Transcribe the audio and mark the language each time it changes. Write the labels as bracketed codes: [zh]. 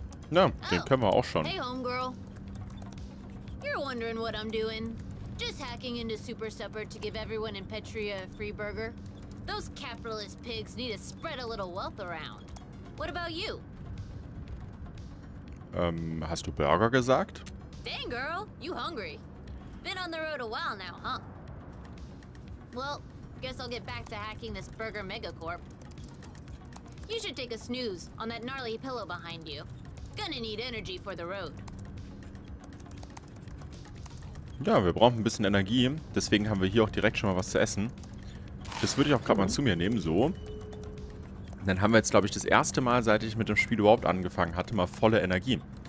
[de] Na, den kennen wir auch schon. [en] Hey, Homegirl. You're wondering what I'm doing. Just hacking into Super Supper to give everyone in Petria a free burger? Those capitalist pigs need to spread a little wealth around. What about you? [de] Hast du Burger gesagt? [en] Dang, girl, you hungry. Been on the road a while now, huh? Well, guess I'll get back to hacking this Burger Megacorp. You should take a snooze on that gnarly pillow behind you. Gonna need energy for the road. [de] Ja, wir brauchen ein bisschen Energie, deswegen haben wir hier auch direkt schon mal was zu essen. Das würde ich auch gerade mal zu mir nehmen, so. Dann haben wir jetzt, glaube ich, das erste Mal, seit ich mit dem Spiel überhaupt angefangen hatte, mal volle Energie.